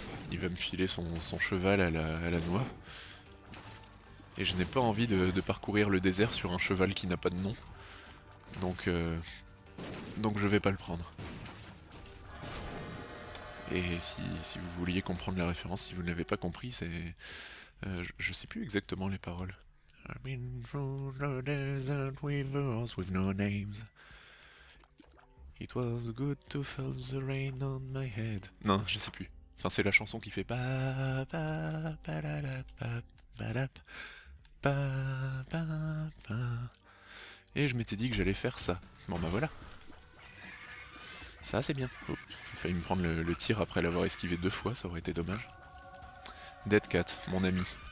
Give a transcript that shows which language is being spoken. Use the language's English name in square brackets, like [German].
[French] Il va me filer son cheval à la noix. Et je n'ai pas envie de parcourir le désert sur un cheval qui n'a pas de nom. Donc je vais pas le prendre. Et si vous vouliez comprendre la référence, si vous ne l'avez pas compris, c'est... je sais plus exactement les paroles. [English] I've been through the desert with no names. It was good to feel the rain on my head. [French] Non, je sais plus. Enfin, c'est la chanson qui fait pa pa pa la la pa pa la pa pa pa. Et je m'étais dit que j'allais faire ça. Bon, bah voilà. Ça, c'est bien. Oh, j'ai failli me prendre le tir après l'avoir esquivé deux fois, ça aurait été dommage. Dead Cat, mon ami.